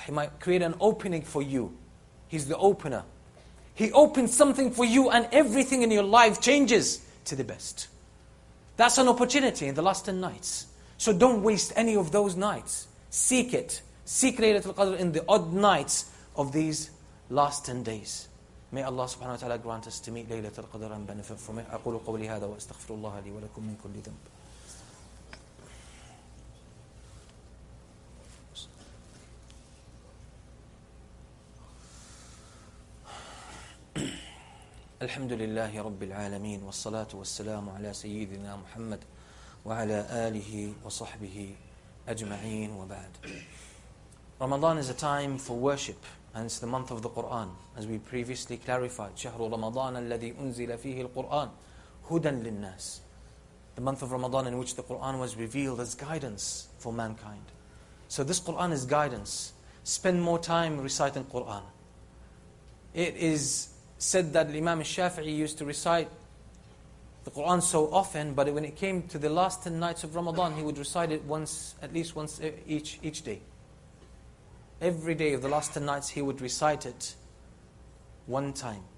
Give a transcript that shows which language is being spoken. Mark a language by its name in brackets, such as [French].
[English] He might create an opening for you. He's the opener. He opens something for you and everything in your life changes to the best. That's an opportunity in the last 10 nights. So don't waste any of those nights. Seek it. Seek Laylatul Qadr in the odd nights of these last 10 days. May Allah subhanahu wa ta'ala grant us to meet Laylatul Qadr and benefit from it. [Arabic] أقول قولي هذا وأستغفر الله لي ولكم من كل ذنب. الحمد لله رب العالمين والصلاة والسلام على سيدنا محمد وعلى آله وصحبه أجمعين وبعد. [English] Ramadan is a time for worship and it's the month of the Quran. As we previously clarified, [Arabic] شهر رمضان الذي أنزل فيه القرآن هدى للناس. [English] The month of Ramadan in which the Quran was revealed as guidance for mankind. So this Quran is guidance. Spend more time reciting Quran. It is said that Imam al-Shafi'i used to recite the Quran so often, but when it came to the last 10 nights of Ramadan, he would recite it once, at least once each day. Every day of the last 10 nights, he would recite it one time.